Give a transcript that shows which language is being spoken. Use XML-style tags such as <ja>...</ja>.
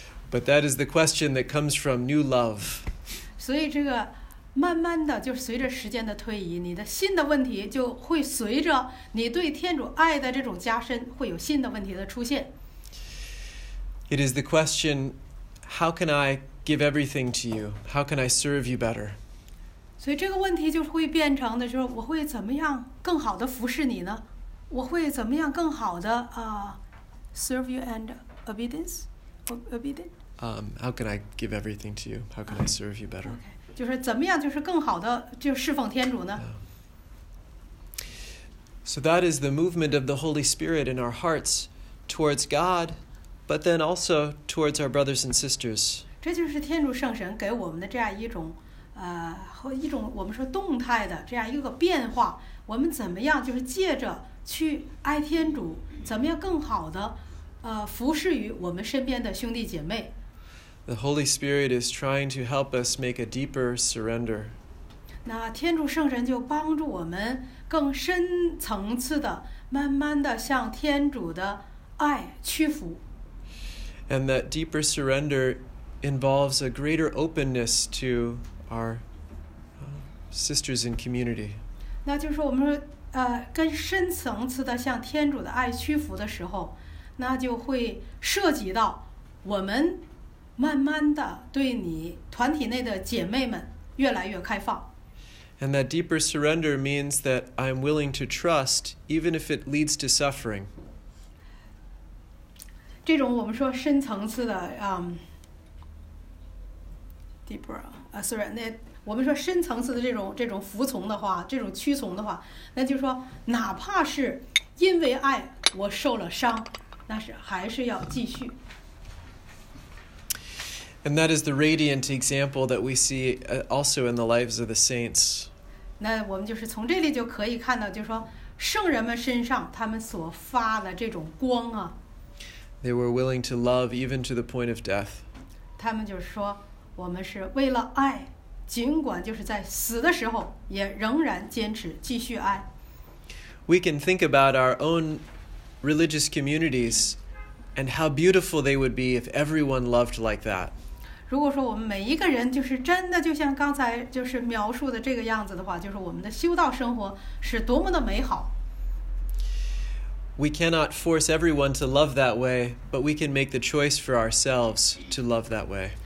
<en>But that is the question that comes from new love.</en> <zh>所以这个慢慢的就随着时间的推移，你的新的问题就会随着你对天主爱的这种加深，会有新的问题的出现。</zh> <en>It is the question, how can I give everything to you? How can I serve you better?</en> <zh>所以这个问题就会变成的，就是我会怎么样更好的服侍你呢？我会怎么样更好的</zh> <en>serve you and obedience? How can I give everything to you? How can I serve you better? Okay.</en> <zh>就是怎么样就是更好的就侍奉天主呢？</zh> <en>So that is the movement of the Holy Spirit in our hearts towards God, but then also towards our brothers and sisters.</en> <zh>这就是天主圣神给我们的这样一种一种我们说动态的这样一个变化，我们怎么样就是借着去爱天主，怎么样更好的服侍于我们身边的兄弟姐妹。</zh> <en>The Holy Spirit is trying to help us make a deeper surrender.</en> <zh>那天主圣神就帮助我们更深层次的慢慢的向天主的爱屈服。</zh> <en>And that deeper surrender involves a greater openness to our sisters in community.</en> <zh>那就是我们更深层次的向天主的爱屈服的时候，那就会涉及到我们慢慢的对你团体内的姐妹们越来越开放。</zh> <en>And that deeper surrender means that I'm willing to trust, even if it leads to suffering.</en> <zh>这种我们说深层次的</zh> <en>deeper surrender，</en> <zh>我们说深层次的这种服从的话，这种屈从的话，那就是说，哪怕是因为爱我受了伤，那是还是要继续。</zh> <en>And that is the radiant example that we see also in the lives of the saints.</en> <zh>那我们就是从这里就可以看到，就是说圣人们身上他们所发的这种光啊。</zh> <en>They were willing to love even to the point of death.</en> <zh>他们就是说，我们是为了爱，尽管就是在死的时候，也仍然坚持继续爱。</zh> <en>We can think about our own religious communities and how beautiful they would be if everyone loved like that.</en> <zh>如果说我们每一个人就是真的就像刚才就是描述的这个样子的话，就是我们的修道生活是多么的美好。</zh> <en>We cannot force everyone to love that way, but we can make the choice for ourselves to love that way.</en>